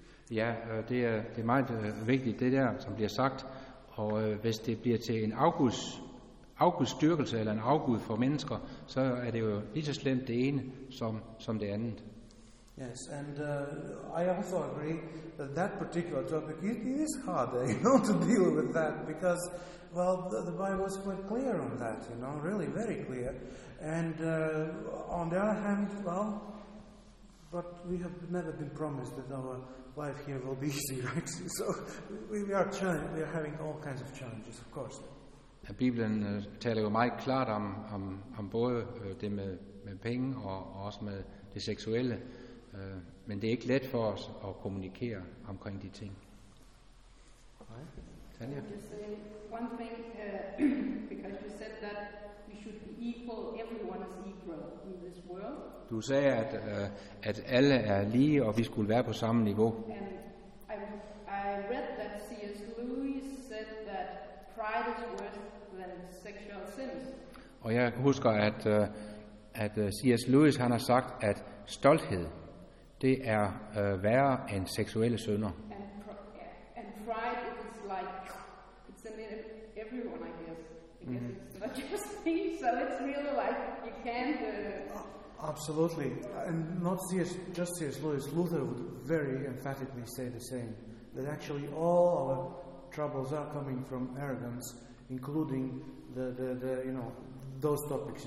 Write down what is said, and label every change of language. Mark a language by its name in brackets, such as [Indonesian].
[Danish] Ja, det er meget vigtigt, det der, som bliver sagt. Og hvis det bliver til en afgudsdyrkelse eller en afgud for mennesker, så er det jo lige så slemt det ene som det andet. [English] Yes, and I also agree that that particular topic, it is harder, you know, to deal with that, because, well, the Bible is quite clear on that, you know, really very clear. And on the other hand, well, but we have never been promised that our life here will be easy, right? So we are having all kinds of challenges, of course. [Danish] Bibelen taler jo meget klart om både det med penge og også med det seksuelle. Men det er ikke let for os at kommunikere omkring de ting. [English] Right. Tanya? Just say one thing, because you said that we should be equal, everyone is equal in this world. [Danish] Du sagde, at alle er lige, og vi skulle være på samme niveau. [English] I read that C.S. Lewis said that pride is worse than sexual sins. [Danish] Og jeg husker, at C.S. Lewis, han har sagt, at stolthed, det er værre end seksuelle synder. [English] And pride is like it's in everyone, I guess. I guess mm-hmm. It's not just me, so it's really like you can't. Absolutely, and not just C.S. Lewis. Luther would very emphatically say the same. That actually all our troubles are coming from arrogance, including the you know those topics.